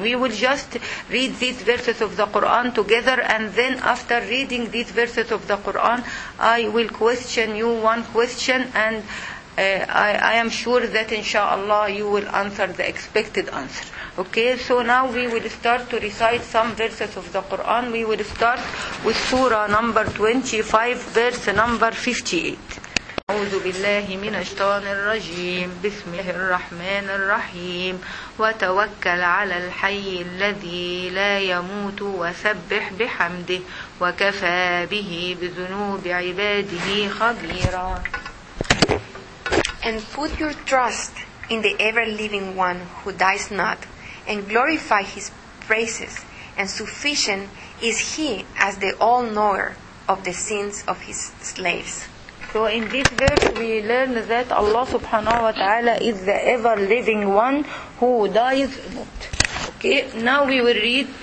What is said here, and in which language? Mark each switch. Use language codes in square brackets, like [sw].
[en] We will just read these verses of the Quran together, and then after reading these verses of the Quran, I will question you one question, and I am sure that inshallah you will answer the expected answer. Okay, so now we will start to recite some verses of the Quran. We will start with Surah number 25, verse number 58. [ar] أعوذ بالله من الشيطان الرجيم بسم الله الرحمن الرحيم وتوكل على الحي الذي لا يموت وسبح بحمده وكفى به بذنوب عباده خبيرا. [en] And put your trust in the ever-living one who dies not, and glorify his praises, and sufficient is he as the all-knower of the sins of his slaves. So in this verse, we learn that Allah subhanahu wa ta'ala is the ever-living one who dies not. Okay, now we will read